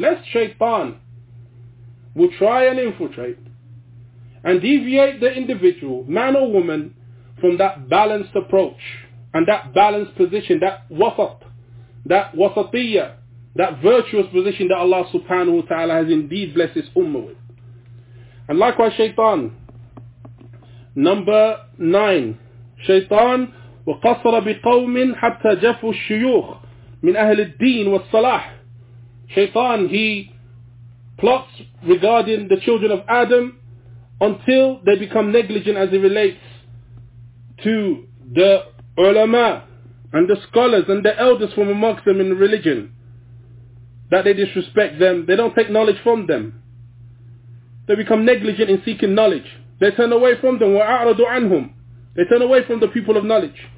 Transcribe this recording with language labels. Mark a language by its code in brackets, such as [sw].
[en] Lest shaytan will try and infiltrate and deviate the individual, man or woman, from that balanced approach and that balanced position, that wasatiyya, that virtuous position that Allah subhanahu wa ta'ala has indeed blessed his ummah with. And likewise shaytan, number 9, shaytan [ar] وَقَصَرَ بِقَوْمٍ حَتَّى جَفُوا الشُّيُوخ مِنْ أَهْلِ الدِّينِ وَالصَّلَاحِ. [en] Shaytan, he plots regarding the children of Adam until they become negligent as it relates to the ulama and the scholars and the elders from amongst them in religion, that they disrespect them, they don't take knowledge from them, they become negligent in seeking knowledge, they turn away from them, [ar] وَأَعْرَضُ عَنْهُمْ, [en] they turn away from the people of knowledge.